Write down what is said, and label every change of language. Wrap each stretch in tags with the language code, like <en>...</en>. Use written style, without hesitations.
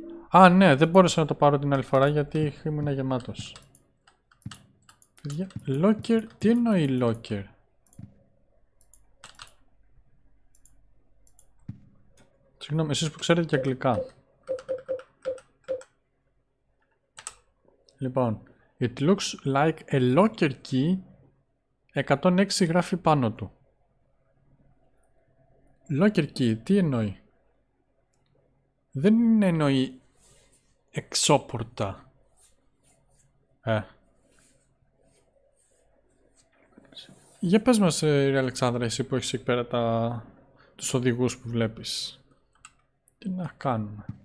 <el>Α, ναι, δεν μπόρεσα να το πάρω την άλλη φορά γιατί ήμουν γεμάτος. Παιδιά, locker, τι εννοεί locker. Συγγνώμη, εσείς που ξέρετε και αγγλικά. Λοιπόν,</el> <en>it looks like a locker key.</en> <el>106 γράφει πάνω του. Locker key, τι εννοεί. Δεν εννοεί εξώπορτα. Για πες μας, ρε Αλεξάνδρα, εσύ που έχεις εκεί πέρα τους οδηγούς που βλέπεις. Τι να κάνουμε.</el>